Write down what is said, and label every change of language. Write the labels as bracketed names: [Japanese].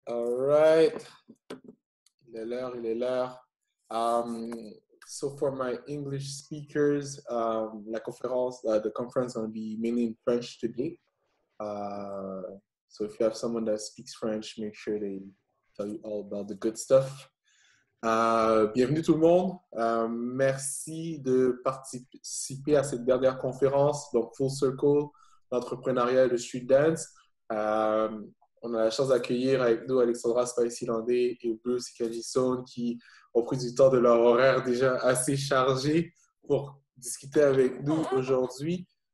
[French] Il est l'heure, il est l'heure. [English] So for my English speakers, [French] la conférence, [English] the conference will be mainly in French today. So if you have someone that speaks French, make sure they tell you all about the good stuff. [French] Bienvenue tout le monde. Merci de participer à cette dernière conférence, donc Full Circle, l'entrepreneuriat et le street dance. On a la chance d'accueillir avec nous Alexandra Spicy-Landé et Bruce Kajison qui ont pris du temps de leur horaire déjà assez chargé pour discuter avec nous aujourd'hui.